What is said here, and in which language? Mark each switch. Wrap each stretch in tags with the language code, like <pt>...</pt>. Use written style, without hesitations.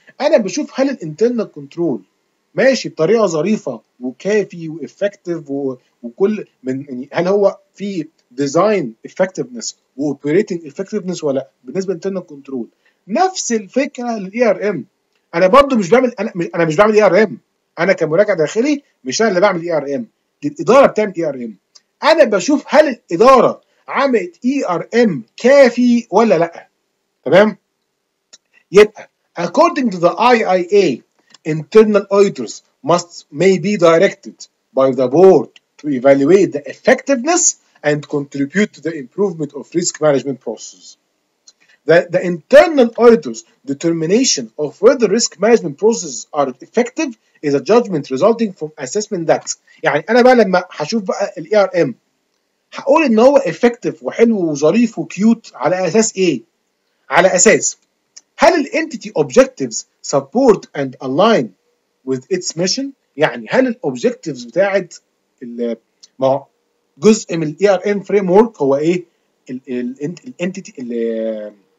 <ar>انا بشوف هل الانترنال كنترول ماشي بطريقه ظريفه وكافي وافكتيف وكل من يعني، هل هو في ديزاين افكتيفنس واوبريتنج افكتيفنس ولا بالنسبه للانترنال كنترول؟ نفس الفكره للاي ار ام. انا برضو مش بعمل، انا مش بعمل اي ار ام، انا كمراجع داخلي مش انا اللي بعمل اي ار ام، الاداره بتعمل اي ار ام. انا بشوف هل الاداره عملت اي ار ام كافي ولا لا. تمام، يبقى</ar> <en>according to the IIA internal auditors must may be directed by the board to evaluate the effectiveness and contribute to the improvement of risk management processes. The internal auditors determination of whether risk management processes are effective is a judgment resulting from assessment that.</en> <ar>يعني انا بقى لما هشوف بقى الاي ار ام هقول ان هو effective وحلو وظريف وكيوت على اساس ايه؟ على اساس هل الـ</ar> <en>entity objectives support and align with its mission؟</en> <ar>يعني هل الـ objectives بتاعت الـ ما جزء من الـ ERM framework هو ايه؟ الـ entity الـ</ar>